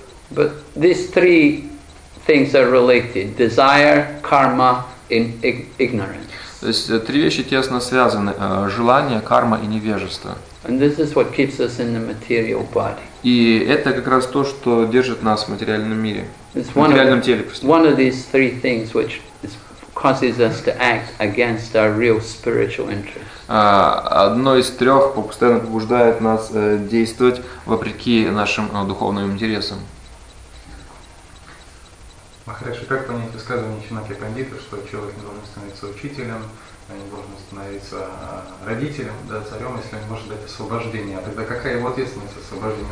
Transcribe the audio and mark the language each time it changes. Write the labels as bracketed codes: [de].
[en] But these three things are related: desire, karma, and ignorance. [ru] То есть три вещи тесно связаны: желание, карма и невежество. [en] And this is what keeps us in the material body. [ru] И это как раз то, что держит нас в материальном мире, в материальном теле. [en] One of these three things which is causes us to act against our real spiritual interests. [ru] Одно из трех постоянно побуждает нас действовать вопреки нашим духовным интересам. Махарадж, как понять высказывание Чанакья Пандита, что человек не должен становиться учителем, а не должен становиться родителем, да, царем, если он может дать освобождение? А тогда какая его ответственность за освобождение?